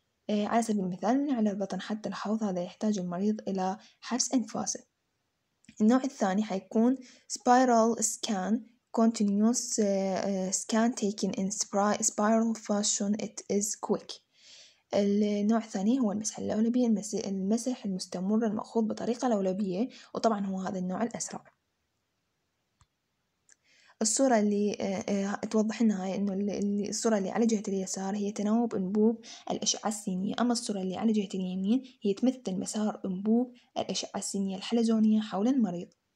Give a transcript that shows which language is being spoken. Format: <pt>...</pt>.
<ar>على سبيل المثال من على البطن حتى الحوض، هذا يحتاج المريض إلى حبس أنفاسه. النوع الثاني حيكون</ar> <en>spiral scan continuous scan taken in spiral fashion it is quick.</en> <ar>النوع الثاني هو المسح اللولبي، المسح المستمر المأخوذ بطريقة لولبية، وطبعا هو هذا النوع الأسرع. الصورة اللي توضح لنا هاي إنه الصورة اللي على جهة اليسار هي تناوب أنبوب الأشعة السينية، أما الصورة اللي على جهة اليمين هي تمثل مسار أنبوب الأشعة السينية الحلزونية حول المريض.</ar>